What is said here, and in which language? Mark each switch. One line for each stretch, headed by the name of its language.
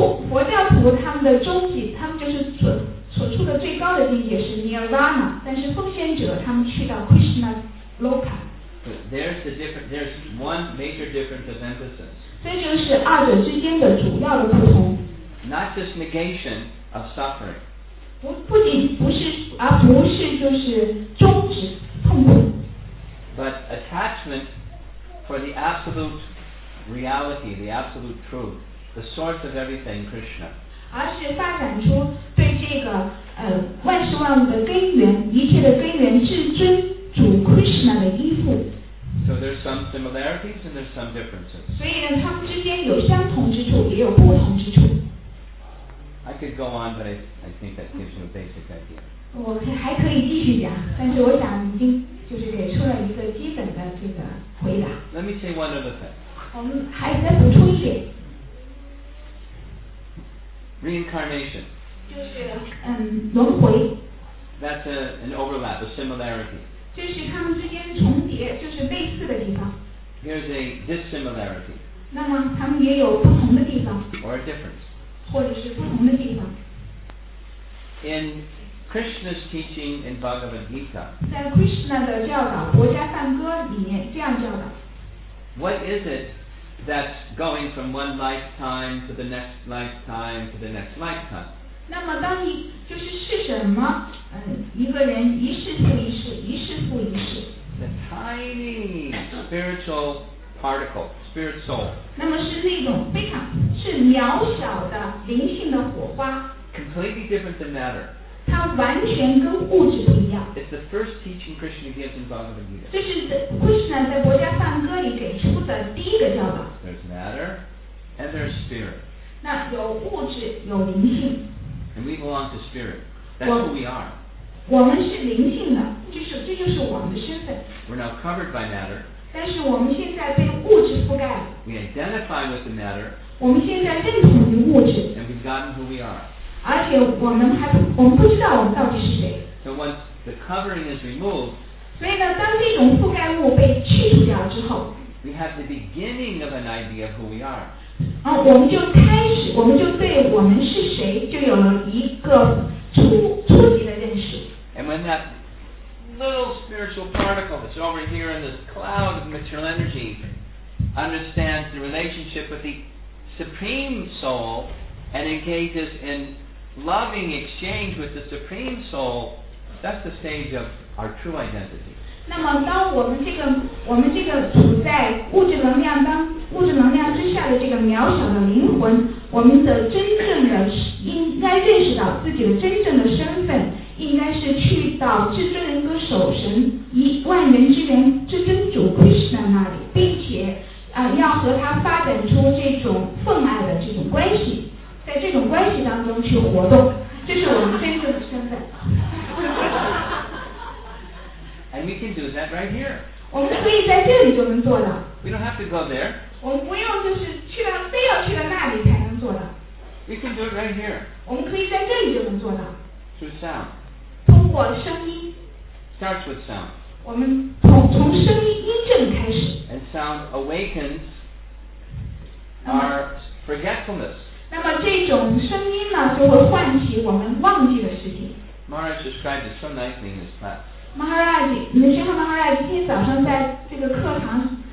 Chinese: 佛教徒他们的终极他们就是所处的最高的境界是 Nirvana 但是奉献者他们去到 Krishna Loka
English: there's one major difference of emphasis
Chinese: 这就是二者之间的主要的不同
English: not just negation of suffering
Chinese: 不仅不是就是终止痛苦
English: but attachment for the absolute reality the absolute truththe source of everything, Krishna.
Chinese: 而是发展出对这个万事万物的根源，一切的根源，至尊主 Krishna 的依附。
English: So there's some similarities and there's some differences.
Chinese: 所以呢，他们之间有相同之处，也有不同之处。
English: I could go on, but I think that gives you a basic idea.
Chinese: 我还可以继续讲，但是我想已经就是给出了一个基本的这个回答。
English: Let me say one other thing.
Chinese: 我们还再补充一点。
English: Reincarnation.
Chinese: 就是轮回。
English: That's an overlap, a similarity.
Chinese: 就是他们之间重叠，就是类似的地方。
English: Here's a dissimilarity.
Chinese: 那么他们也有不同的地方。
English: Or a difference.
Chinese: 或者是不同的地方。
English: In Krishna's teaching in Bhagavad Gita.
Chinese: 在 Krishna 的教导《佛家梵歌》里面这样教导。
English: What is it? That's going from one lifetime to the next lifetime to the next lifetime.
Chinese: 那么当你就是是什么？一个人一世复一世，一世复一世。
English: The tiny spiritual particle, spirit soul.
Chinese: 那么是那种非常是渺小的灵性的火花。
English: Completely different than matter.
Chinese: 它完全跟物质不一样。
English: It's the first teaching Krishna gives in Bhagavad Gita.
Chinese: 这是 Krishna 在佛家梵歌里给出的第一个教导。
English: There's matter and there's spirit.
Chinese: 那有物质，有灵性。
English: And we belong to spirit. That's who we are.
Chinese: 我们是灵性的，这就是我们的身份。
English: We're now covered by matter.
Chinese: 但是我们现在被物质覆盖了。
English: We identify with the matter.
Chinese: 我们现在认同于物质。
English: And we've gotten who we are.
Chinese: 而且我们不知道我们到底是谁。
English: So once the covering is removed.
Chinese: 所以呢，当这种覆盖物被去除掉之后。
English: We have the beginning of an idea of who we are.
Chinese: 我们就开始，我们就对我们是谁就有了一个初级的认识。
English: And when that little spiritual particle that's over here in this cloud of material energy understands the relationship with the supreme soul and engages in loving exchange with the supreme soul, that's the stage of our true identity.
Chinese: 那么当我们这个处在物质能量之下的这个渺小的灵魂我们的真正的应该认识到自己的真正的身份应该是去到至尊人格首神一万人之源至尊主 Krishna 那里并且要和他发展出这种奉爱的这种关系在这种关系当中去活动这是我们真正的身份
English: And we can do that right here.
Chinese: 我们可以在这里就能做到。
English: We don't have to go there.
Chinese: 我们不用就是去到非要去到那里才能做到。
English: We can do it right here.
Chinese: 我们可以在这里就能做到。
English: Through sound.
Chinese: 通过声音。
English: Starts with sound.
Chinese: 我们从声音音振开始。
English: And sound awakens our forgetfulness.
Chinese: 那么这种声音呢，就会唤起我们忘记的事情。
English: Maharaj described it so nicely in his class.
Chinese: Maharaj, 你的学生 Maharaj 今天早上在这个课堂